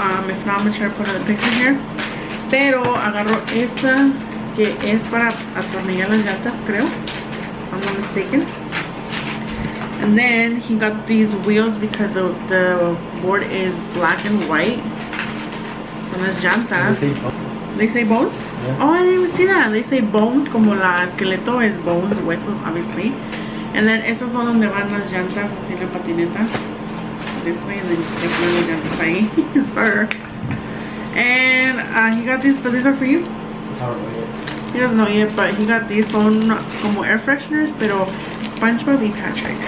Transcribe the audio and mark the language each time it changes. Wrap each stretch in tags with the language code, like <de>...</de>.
<en>If not, I'm gonna try to put a picture here.</en> <es>Pero agarró esta que es para atornillar las llantas, creo.</es> <en>I'm not mistaken. And then he got these wheels because the board is black and white.</en> <es>Son las</es> <en>Let's</en> <es>llantas.</es> <en>see. Oh. They say bones? Yeah. Oh, I didn't even see that. They say bones,</en> <es>como la esqueleto es bones, huesos,</es> <en>obviously. And then</en> <es>esas son donde van las llantas, así la patineta.</es> <en>This way, and then just take my</en> <es>llantas ahí, sir.</es> <en>And he got these, but these are for you. He doesn't know yet, but he got these.</en> <es>Son como air fresheners, pero SpongeBob y Patrick.</es>